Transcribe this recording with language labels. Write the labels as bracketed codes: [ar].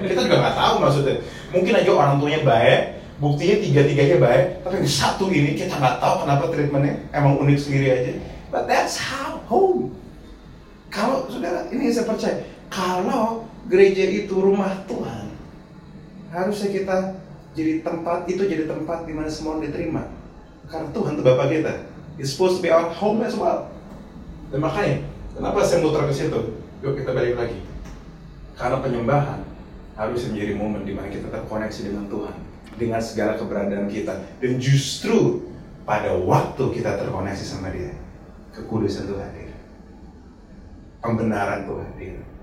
[id] Kita juga nggak tahu maksudnya, mungkin aja orang tuanya baik, buktinya tiga-tiganya baik, tapi yang satu ini kita nggak tahu kenapa treatmentnya emang unik sendiri aja. [en] But that's how home. [id] Kalau saudara ini saya percaya, kalau gereja itu rumah Tuhan, harusnya kita jadi tempat itu, jadi tempat di mana semua diterima karena Tuhan itu Bapa kita. [en] It's supposed to be our home as well. [id] Dan makanya, kenapa saya muter ke situ? Yuk kita balik lagi. Karena penyembahan harus menjadi momen di mana kita terkoneksi dengan Tuhan, dengan segala keberadaan kita. Dan justru pada waktu kita terkoneksi sama dia, kekudusan Tuhan hadir, pembenaran Tuhan hadir.